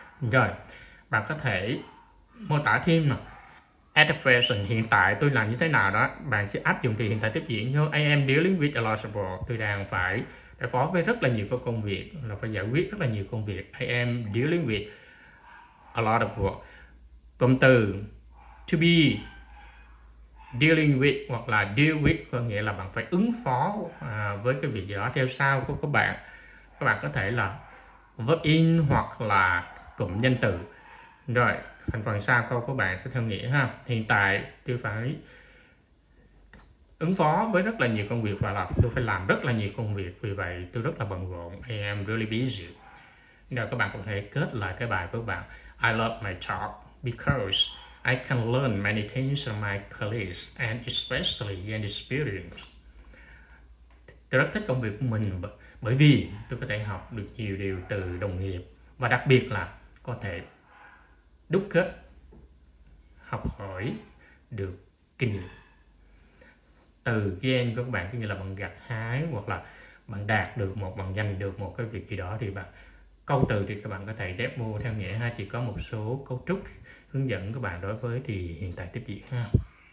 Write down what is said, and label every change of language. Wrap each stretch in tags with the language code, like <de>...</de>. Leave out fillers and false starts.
<vi>Rồi, bạn có thể mô tả thêm nè.</vi> <en>At the present,</en> <vi>hiện tại tôi làm như thế nào đó, bạn sẽ áp dụng thì hiện tại tiếp diễn như</vi> <en>I am dealing with a lot of work.</en> <vi>Tôi đang phải đối phó với rất là nhiều các công việc, là phải giải quyết rất là nhiều công việc.</vi> <en>I am dealing with a lot of work.</en> <vi>Cụm từ to be, dealing with hoặc là deal with có nghĩa là bạn phải ứng phó với cái việc gì đó. Theo sau của các bạn, các bạn có thể là verb in hoặc là cụm danh từ. Rồi, thành phần sau câu của bạn sẽ theo nghĩa ha. Hiện tại tôi phải ứng phó với rất là nhiều công việc và là tôi phải làm rất là nhiều công việc, vì vậy tôi rất là bận rộn.</vi> <en>I am really busy.</en> <vi>Rồi các bạn có thể kết lại cái bài của bạn.</vi> <en>I love my job because I can learn many things from my colleagues and especially gain experience.</en> <vi>Tôi rất thích công việc của mình bởi vì tôi có thể học được nhiều điều từ đồng nghiệp và đặc biệt là có thể đúc kết, học hỏi được kinh nghiệm. Từ gen của các bạn có nghĩa là bạn gặt hái hoặc là bạn đạt được một, bạn giành được một cái việc gì đó thì bạn câu từ thì các bạn có thể dép mua theo nghĩa ha. Chỉ có một số cấu trúc hướng dẫn các bạn đối với thì hiện tại tiếp diễn ha.</vi>